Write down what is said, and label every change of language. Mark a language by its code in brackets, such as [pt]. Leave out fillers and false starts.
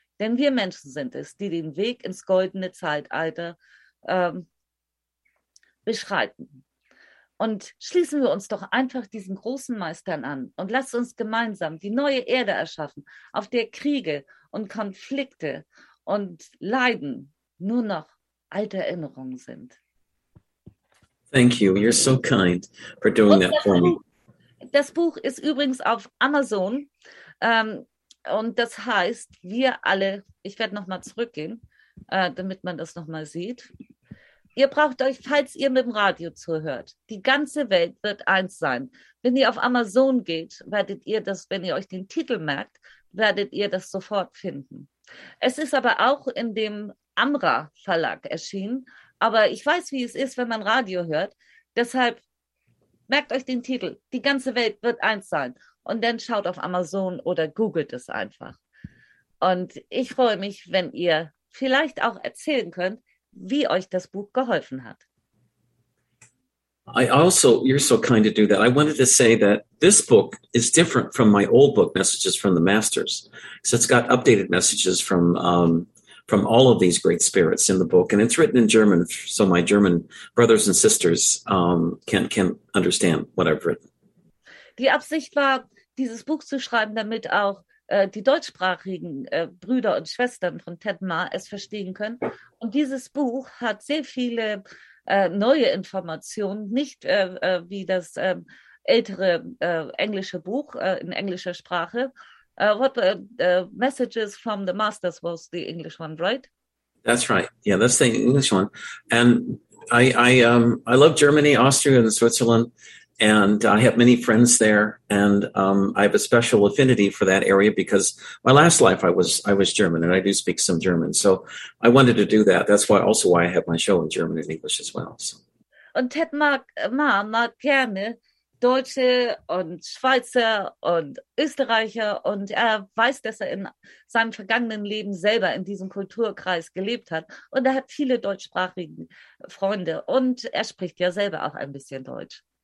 [de] Denn wir Menschen sind es, die den Weg ins goldene Zeitalter beschreiten. Und schließen wir uns doch einfach diesen großen Meistern an und lasst uns gemeinsam die neue Erde erschaffen, auf der Kriege und Konflikte und Leiden nur noch alte Erinnerungen sind. [en] Thank you. You're so kind for doing that for me. [de] Das Buch ist übrigens auf Amazon. Und das heißt, wir alle, ich werde nochmal zurückgehen, damit man das nochmal sieht. Ihr braucht euch, falls ihr mit dem Radio zuhört, die ganze Welt wird eins sein. Wenn ihr auf Amazon geht, werdet ihr das, wenn ihr euch den Titel merkt, werdet ihr das sofort finden. Es ist aber auch in dem Amra Verlag erschienen. Aber ich weiß, wie es ist, wenn man Radio hört. Deshalb merkt euch den Titel. Die ganze Welt wird eins sein. Und dann schaut auf Amazon oder googelt es einfach. Und ich freue mich, wenn ihr vielleicht auch erzählen könnt, wie euch das Buch geholfen hat. [en] I also, you're so kind to do that. I wanted to say that this book is different from my old book, Messages from the Masters. So it's got updated messages from all of these great spirits in the book. And it's written in German, so my German brothers and sisters can understand what I've written. [de] Die Absicht war, dieses Buch zu schreiben, damit auch die deutschsprachigen Brüder und Schwestern von Ted Ma es verstehen können. Und dieses Buch hat sehr viele neue Informationen, nicht wie das ältere englische Buch in englischer Sprache. [en] What were the messages from the masters was the English one, right? That's right. Yeah, that's the English one. And I love Germany, Austria, and Switzerland, and I have many friends there, and I have a special affinity for that area because my last life I was German, and I do speak some German. So I wanted to do that. That's why also why I have my show in German and English as well. [de] Und Ted mag gerne Deutsche und Schweizer und Österreicher, und er weiß, dass er in seinem vergangenen Leben selber in diesem Kulturkreis gelebt hat, und er hat viele deutschsprachige Freunde, und er spricht ja selber auch ein bisschen Deutsch.